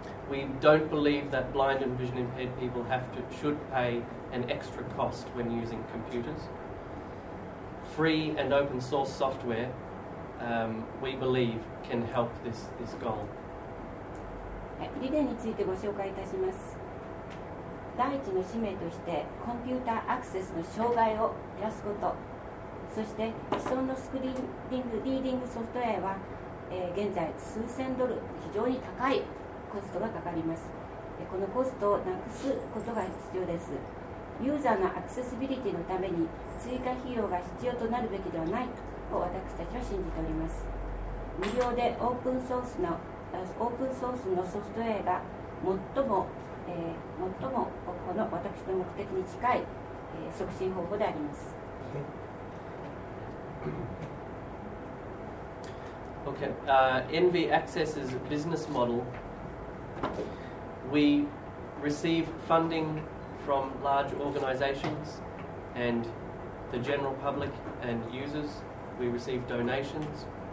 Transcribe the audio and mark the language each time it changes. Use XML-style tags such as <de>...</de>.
<en>We don't believe that blind and vision impaired people should pay an extra cost when using computers. Free and open source software, we believe, can help this goal.</en> <ja>理念についてご紹介いたします。第一の使命として、コンピューターアクセスの障害を減らすこと、そして既存のスクリーディング、リーディングソフトウェアは、現在数千ドル、非常に高いコストがかかります。このコストをなくすことが必要です。ユーザーのアクセシビリティのために追加費用が必要となるべきではないと私たちは信じております。無料でオープンソースのソフトウェアが最もこの私の目的に近い促進方法であります。</ja> <en>Okay, NV Access's business model, we receive funding from large organizations and the general public and users. We receive donations.</en>